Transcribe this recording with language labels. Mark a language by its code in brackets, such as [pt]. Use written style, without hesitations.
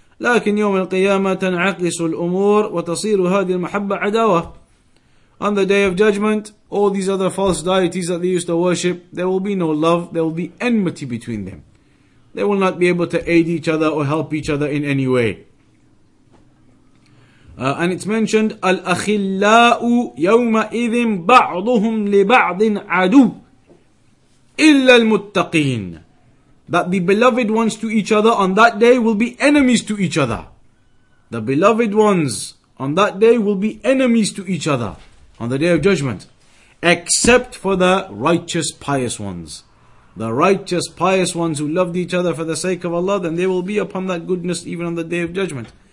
[ar] لكن يوم القيامة تنعكس الأمور وتصير هذه المحبة عداوة. [en] On the Day of Judgment, all these other false deities that they used to worship, there will be no love, there will be enmity between them. They will not be able to aid each other or help each other in any way. And it's mentioned, [ar] الأخلاء يومئذ بعضهم لبعض عدو إلا المتقين. [en] That the beloved ones to each other on that day will be enemies to each other. The beloved ones on that day will be enemies to each other on the Day of Judgment. Except for the righteous, pious ones. The righteous, pious ones who loved each other for the sake of Allah, then they will be upon that goodness even on the Day of Judgment.